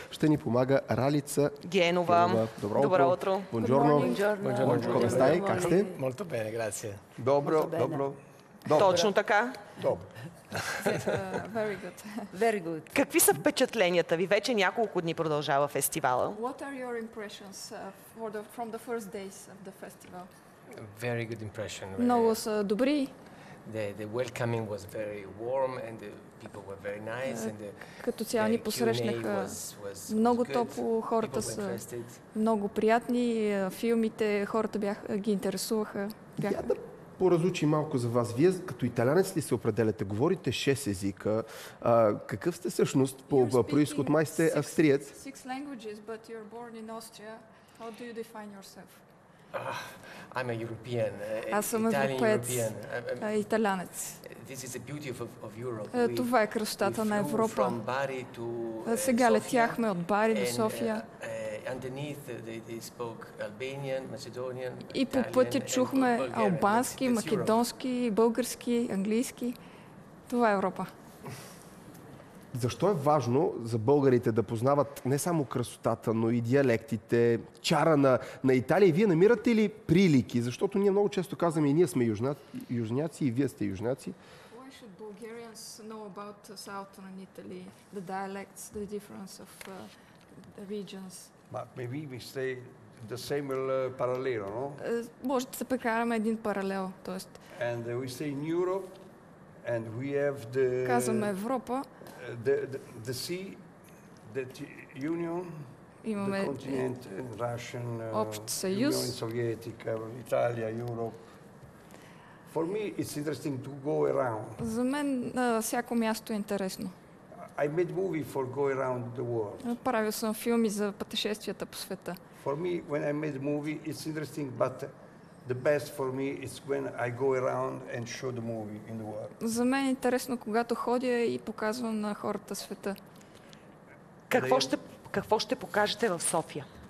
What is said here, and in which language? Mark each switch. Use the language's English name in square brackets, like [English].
[Bulgarian] Ще ни помага Ралица Генова. Добро утро. [Italian] Бонджорно. Come stai? [Bulgarian] Как сте? [Italian] Molto bene, grazie. [Bulgarian] Добро. Точно така? Добро. [English] Very good. Very good. [Bulgarian] Какви са впечатленията ви? Вече няколко дни продължава фестивала. [English] What are your impressions from the first days of the festival? Very good impression. [Bulgarian] Много са добри. [English] The welcoming was very warm and the people were very nice and [Bulgarian] като цяло ни посрещнаха много топло, хората са много приятни, филмите, хората ги интересуваха. Я да поразучи малко за вас. Вие като италянец ли се определяте? Говорите 6 езика. Какъв сте всъщност по происход? Май сте австриец. [English] Six languages, but you're born in Austria. How do you define yourself? I'm a European, [Bulgarian] аз съм европеец, италянец. [English] This is the beauty of Europe. [Bulgarian] Това е красотата на Европа. [English] From Bari to, [Bulgarian] сега летяхме от Бари до София. [English] Underneath they spoke Albanian, Macedonian, [Bulgarian] Italian, и по пътя чухме албански, македонски, български, английски. Това е Европа. Защо е важно за българите да познават не само красотата, но и диалектите, чара на Италия? Вие намирате ли прилики? Защото ние много често казваме и ние сме южняци, и вие сте южняци. [English] Why should Bulgarians know about southern Italy, the dialects, the difference of the regions? But maybe we stay the same parallel, no? [Bulgarian] Може да се прекараме един паралел, тоест. [English] And we stay in Europe. And we have the, [Bulgarian] казваме Европа, [English] the sea, the union, [Bulgarian] имаме [English] the continent, Russian, [Bulgarian] общ съюз, [English] Union Sovietica, Italia, Europe. For me it's interesting to go around. [Bulgarian] За мен всяко място е интересно. [English] I made movie for go around the world. [Bulgarian] Правил съм филми за пътешествията по света. [English] For me when I made movie it's interesting, but the best for me is when I go around and show the movie in the world. [Bulgarian] За мен е интересно, когато ходя и показвам на хората света. Какво ще покажете в София?